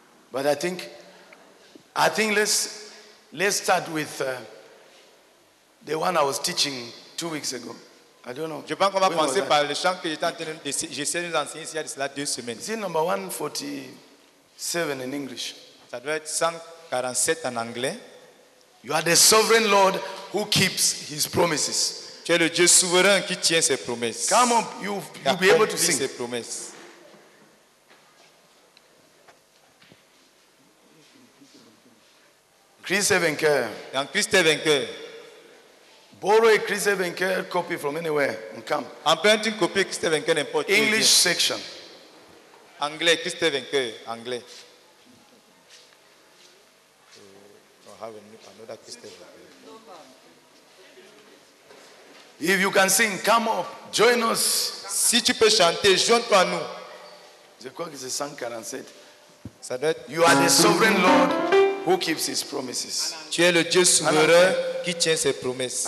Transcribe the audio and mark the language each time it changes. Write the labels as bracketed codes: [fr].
[en] But I think let's start with the one I was teaching 2 weeks ago. I don't know. [fr] Je pense qu'on va commencer par le chant que j'essaie de nous enseigner ici il y a de cela 2 semaines. [en] C'est number 147 in English. [fr] Ça doit être 147 en anglais. [en] You are the sovereign Lord who keeps his promises. [fr] Tu es le Dieu souverain qui tient ses promesses. [en] Come on, you'll be able to sing. [fr] Ses promesses. Christ est vainqueur. En Christ est vainqueur. [en] Borrow a Christ the Vainqueur copy from anywhere and come. [fr] Emprunte une copie Christ the Vainqueur n'importe où. [en] English section. [fr] Anglais, Christ the Vainqueur, anglais. [en] I have another Christ the Vainqueur. If you can sing, come up, join us. [fr] Si tu peux chanter, joins-toi à nous. Je crois que c'est 147. Ça doit être... [en] You are the sovereign Lord who keeps his promises. [fr] Tu es le Dieu souverain qui tient ses promesses.